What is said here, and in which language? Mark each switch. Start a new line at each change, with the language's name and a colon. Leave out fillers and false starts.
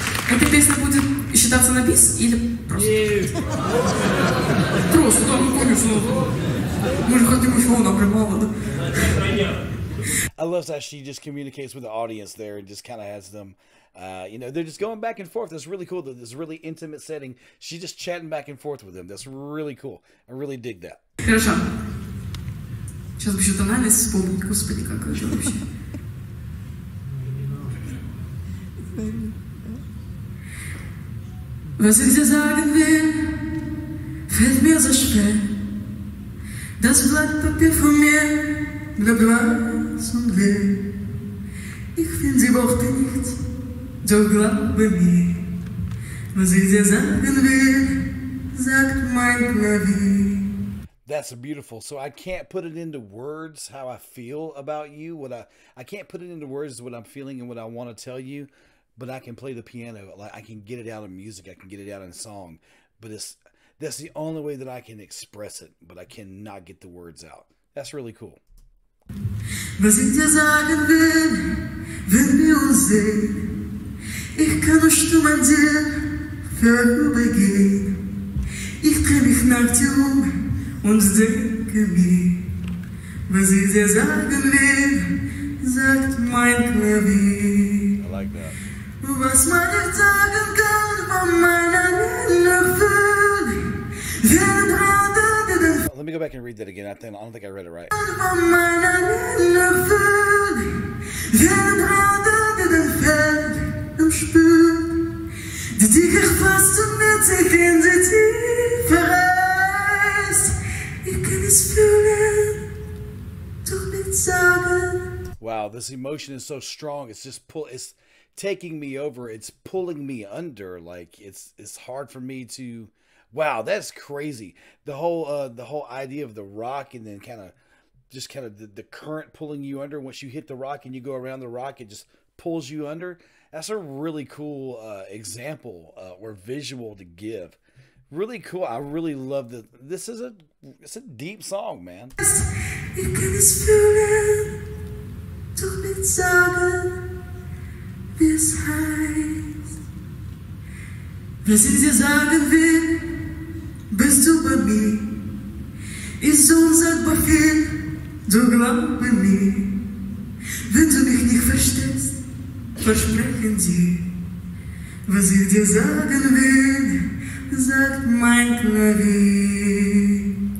Russian: Эта песня будет считаться на бис или просто? Нет. Просто, да, ну конечно. Мы же хотим еще на прямого.
English: I love that she just communicates with the audience there and just kind of has them, you know, they're just going back and forth. That's really cool. That this really intimate setting. She's just chatting back and forth with them. That's really cool. I really dig that.
Russian: Хорошо. Сейчас бы что-то нами вспомнить. Господи, как это вообще.
German: Was ich dir sagen will, fällt mir so schwer. Das Blatt Papier von mir, bleibt blass und leer. Ich finde die Worte nicht, doch glaube mir. Was ich dir sagen will, sagt mein Klavier.
English: That's beautiful. So I can't put it into words how I feel about you. What I can't put it into words what I'm feeling and what I want to tell you. But I can play the piano, like I can get it out in music, I can get it out in song, but that's the only way that I can express it, but I cannot get the words out. That's really cool.
German: Was ich dir sagen will, wenn wir uns sehen, ich kann nur stumm an dir vorübergehen. Ich dreh mich nach dir und denke mir, was ich dir sagen will, sagt mein Klavier.
English: I like that.
German: Was man nicht sagen kann, von meiner Lille füllt, wenn gerade dir den
English: Let me go back and read that again. I don't think I read it right.
German: Von meiner Lille füllt, wenn gerade dir den Feld im Spül, die dich erfasst und mit sich in die Tiefe reißt. Ich kann es fühlen, doch nicht sagen.
English: Wow, this emotion is so strong. It's taking me over. It's pulling me under. Like it's hard for me to. Wow, that's crazy. The whole idea of the rock and then kind of the current pulling you under. Once you hit the rock and you go around the rock, it just pulls you under. That's a really cool example or visual to give. Really cool. I really love the. This is a. It's a deep song, man.
German: Wenn du mich nicht verstehst, versprechen sie, was ich dir sagen will, sagt mein Klavier.